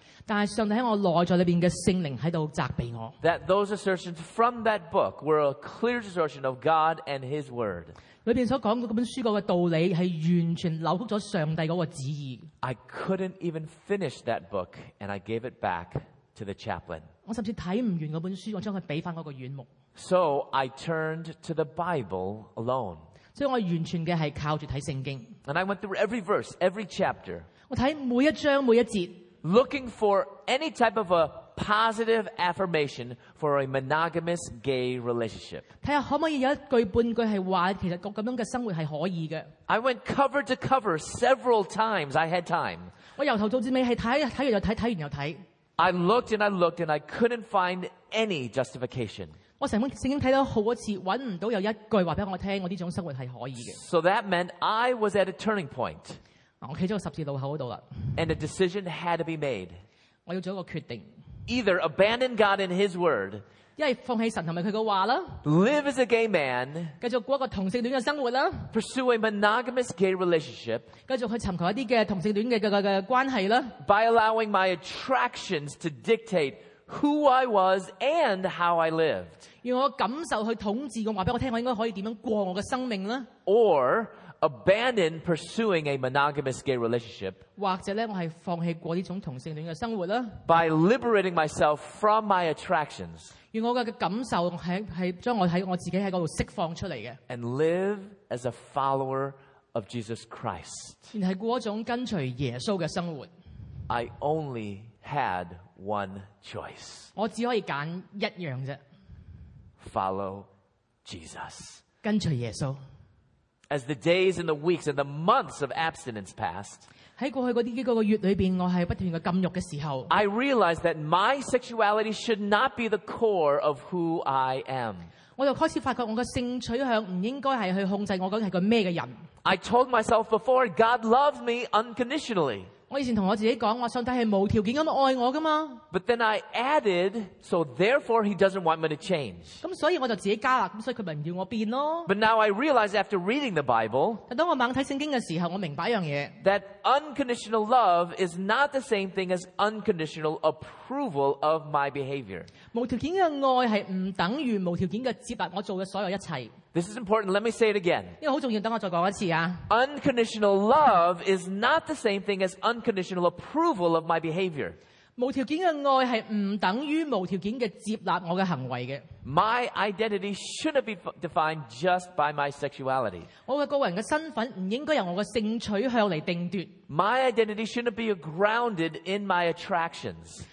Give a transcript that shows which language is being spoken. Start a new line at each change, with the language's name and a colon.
Chinese: 但是上帝在我内在里面的圣灵在责备我。
English: That those assertions from that book were a clear distortion of God and His Word.
Chinese: 里面所讲的那本书的道理是完全扭曲了上帝的旨意。
English: I couldn't even finish that book and I gave it back to the chaplain.
Chinese: 我甚至看不完那本书，我将它给回那个院牧。
English: So I turned to the Bible alone.
Chinese: 所以我完全的是靠着看圣经。
English: And I went through every verse, every chapter.
Chinese: 我看每一章每一节。
English: Looking for any type of a positive affirmation for a monogamous gay relationship.
Chinese: 看看可不可以有一句半句是说其实这样的生活是可以的。
English: I went cover to cover several times I had time.
Chinese: 我由头到尾是看完又看，看完又看。
English: I looked and I looked and I couldn't find any justification.
Chinese: 我整本圣经看了好多次，找不到有一句告诉我听我这种生活是可以的。
English: So that meant I was at a turning point.
Chinese: 我站在十字路口那裡了。
English: And a decision had to be made.
Chinese: 我要做一個決定。
English: Either abandon God and His Word.
Chinese: 要是放棄神和祂的話。
English: Live as a gay man.
Chinese: 繼續過一個同性戀的生活。
English: Pursue a monogamous gay relationship.
Chinese: 繼續去尋求一些同性戀的關係。
English: By allowing my attractions to dictate who I was and how I lived.
Chinese: 用我的感受去統治我告訴我聽我應該可以怎樣過我的生命。
English: Or,abandon pursuing a monogamous gay relationship,
Chinese: 或者我是放棄過這種同性戀的生活啦。
English: By liberating myself from my attractions,
Chinese: 用我的感受是將我在我自己在那裡釋放出來的。
English: And live as a follower of Jesus Christ,
Chinese: 然後過一種跟隨耶穌的生活。
English: I only had one choice,
Chinese: 我只可以選一樣而已。
English: Follow Jesus,
Chinese: 跟隨耶穌。
English: As the days and the weeks and the months of abstinence passed,
Chinese: 在过去的几个月里面，我是不断的禁欲的时候，
English: I realized that my sexuality should not be the core of who I am.
Chinese: 我就开始发觉我的性取向不应该是去控制我究竟是个什么人。
English: I told myself before, God loves me unconditionally.
Chinese: 我以前跟我自己说，我上帝是无条件地爱我的嘛。
English: But then I added, so therefore he doesn't want me to change.
Chinese: 所以我就自己加了，所以他就不要我变咯。
English: But now I realize after reading the Bible,
Chinese: 但当我猛看圣经的时候，我明白一件事。
English: That unconditional love is not the same thing as unconditional approval of my behavior.
Chinese: 无条件的爱是不等于无条件的接纳我做的所有一切。
English: This is important, let me say it again.
Chinese: 因为很重要，等我再说一次啊。
English: Unconditional love is not the same thing as unconditional approval of my behavior.
Chinese: 无条件的爱是不等于无条件的接纳我的行为的。
English: My identity shouldn't be defined just by my sexuality.
Chinese: 我的个人的身份不应该由我的性取向来定夺。
English: My identity shouldn't be grounded in my attractions.